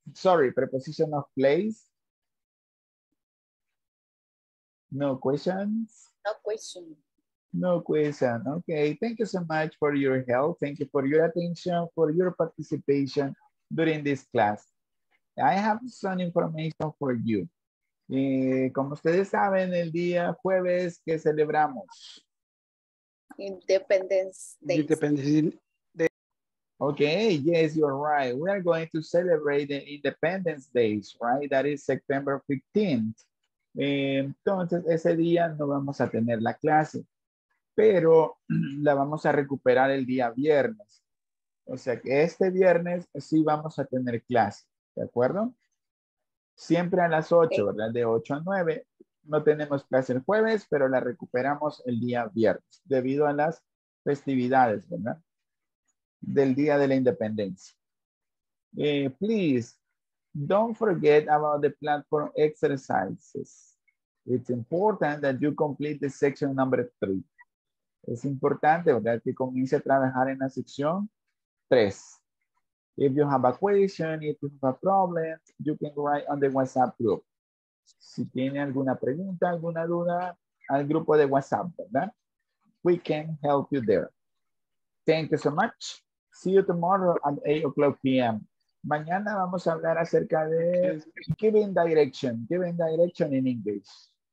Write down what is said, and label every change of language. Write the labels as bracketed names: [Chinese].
[English] Sorry, preposition of place? No questions? No question. No question. Okay. Thank you so much for your help. Thank you for your attention, for your participation during this class. I have some information for you. [Spanish] Como ustedes saben, el día jueves que celebramos. [English] Independence Day. Okay. Yes, you're right. We are going to celebrate the Independence Day, right? That is September 15th. [Spanish] Entonces, ese día no vamos a tener la clase. Pero la vamos a recuperar el día viernes. O sea que este viernes sí vamos a tener clase, ¿de acuerdo? Siempre a las 8, ¿verdad? De 8 a 9. No tenemos clase el jueves, pero la recuperamos el día viernes debido a las festividades, ¿verdad? Del Día de la Independencia. [English] Please, don't forget about the platform exercises. It's important that you complete the section number 3. [Spanish] Es importante, ¿verdad? Que comience a trabajar en la sección 3. [English] If you have a question, if you have a problem, you can write on the WhatsApp group. [Spanish] Si tiene alguna pregunta, alguna duda, al grupo de WhatsApp, ¿verdad? [English] We can help you there. Thank you so much. See you tomorrow at 8:00 p.m. [Spanish] Mañana vamos a hablar acerca de [English] giving direction in English.